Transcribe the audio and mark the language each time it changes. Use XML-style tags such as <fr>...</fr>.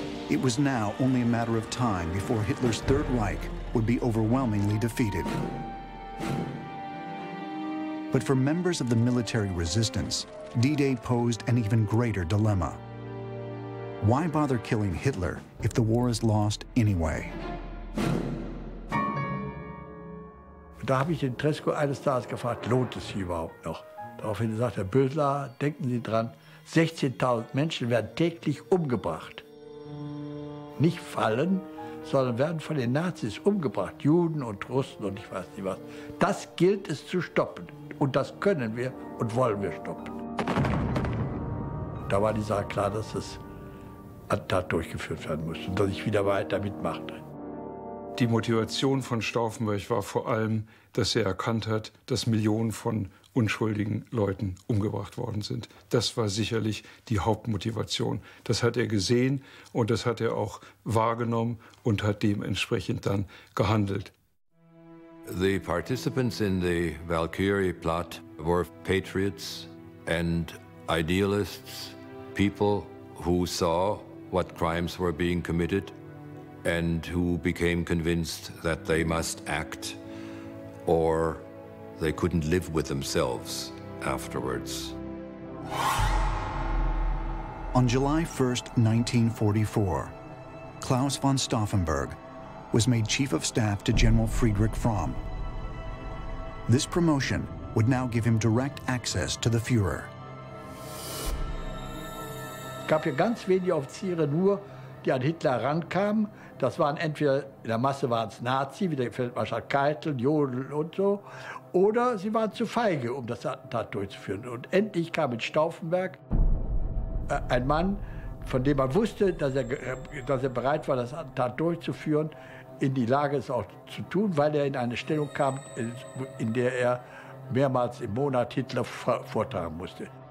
<en>It was now only a matter of time before Hitler's Third Reich would be overwhelmingly defeated. But for members of the military resistance, D-Day posed an even greater dilemma. Why bother killing Hitler if the war is lost anyway?</en> <de>Da habe ich den Tresco eines Tages gefragt, lohnt es sich überhaupt noch? Daraufhin sagt Herr Bösler, denken Sie dran, 16.000 Menschen werden täglich umgebracht. Nicht fallen, sondern werden von den Nazis umgebracht, Juden und Russen und ich weiß nicht was. Das gilt es zu stoppen. Und das können wir und wollen wir stoppen. Da war die Sache klar, dass es Attentat durchgeführt werden muss und dass ich wieder weiter mitmachte. Die Motivation von Stauffenberg war vor allem, dass er erkannt hat, dass Millionen von unschuldigen Leuten umgebracht worden sind. Das war sicherlich die Hauptmotivation. Das hat er gesehen und das hat er auch wahrgenommen und hat dementsprechend dann gehandelt.</de> <en>The participants in the Valkyrie plot were patriots and idealists, people who saw what crimes were being committed and who became convinced that they must act or they couldn't live with themselves afterwards. On July 1st, 1944, Klaus von Stauffenberg was made chief of staff to General Friedrich Fromm. This promotion would now give him direct access to the Führer.</en> <de>Es gab hier ganz wenige Offiziere nur, die an Hitler rankamen. Das waren entweder, in der Masse waren es Nazi, wie der Feldmarschall Keitel, Jodl und so, oder sie waren zu feige, um das Attentat durchzuführen. Und endlich kam mit Stauffenberg ein Mann, von dem man wusste, dass er bereit war, das Attentat durchzuführen, in die Lage, es auch zu tun, weil er in eine Stellung kam, in der er mehrmals im Monat Hitler vortragen musste.</de>